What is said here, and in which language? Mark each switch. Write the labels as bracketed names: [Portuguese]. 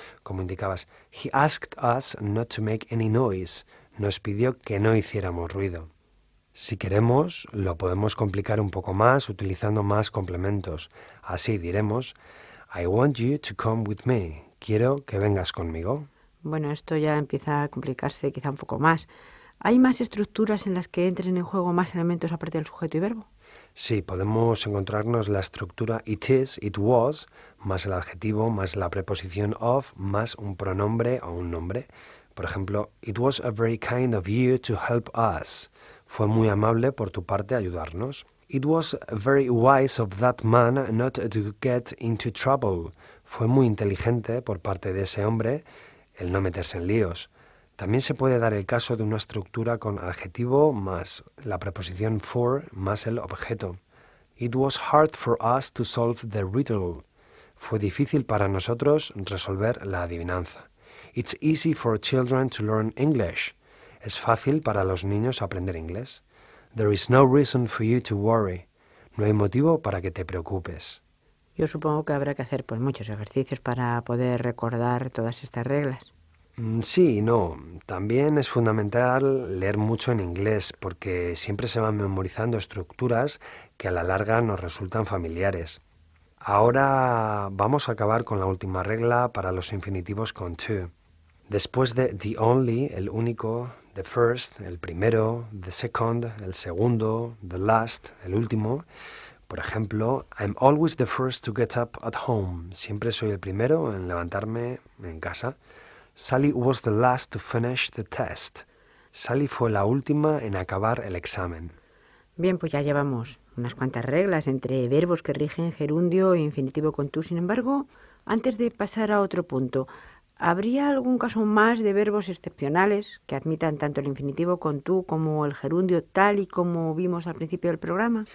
[Spanish] Como indicabas, [English] he asked us not to make any noise. [Spanish] Nos pidió que no hiciéramos ruido. Si queremos, lo podemos complicar un poco más utilizando más complementos. Así diremos, [English] I want you to come with me. [Spanish] Quiero que vengas conmigo. Bueno, esto ya empieza a complicarse quizá un poco más. ¿Hay más estructuras en las que entren en juego más elementos aparte del sujeto y verbo? Sí, podemos encontrarnos la estructura [English] it is, it was, [Spanish] más el adjetivo, más la preposición of, más un pronombre o un nombre. Por ejemplo, [English] it was a very kind of you to help us. [Spanish] Fue muy amable por tu parte ayudarnos. [English] It was very wise of that man not to get into trouble. [Spanish] Fue muy inteligente por parte de ese hombre el no meterse en líos. También se puede dar el caso de una estructura con adjetivo más la preposición for más el objeto. [English] It was hard for us to solve the riddle. [Spanish] Fue difícil para nosotros resolver la adivinanza. [English] It's easy for children to learn English. [Spanish] Es fácil para los niños aprender inglés. [English] There is no reason for you to worry. [Spanish] No hay motivo para que te preocupes. Yo supongo que habrá que hacer pues muchos ejercicios para poder recordar todas estas reglas. Sí y no. También es fundamental leer mucho en inglés porque siempre se van memorizando estructuras que a la larga nos resultan familiares. Ahora vamos a acabar con la última regla para los infinitivos con to. Después de the only, el único, the first, el primero, the second, el segundo, the last, el último. Por ejemplo, [English] I'm always the first to get up at home. [Spanish] Siempre soy el primero en levantarme en casa. [English] Sally was the last to finish the test. [Spanish] Sally fue la última en acabar el examen. Bien, pues ya llevamos unas cuantas reglas entre verbos que rigen gerundio e infinitivo con to. Sin embargo, antes de pasar a otro punto, ¿habría algún caso más de verbos excepcionales que admitan tanto el infinitivo con to como el gerundio, tal y como vimos al principio del programa?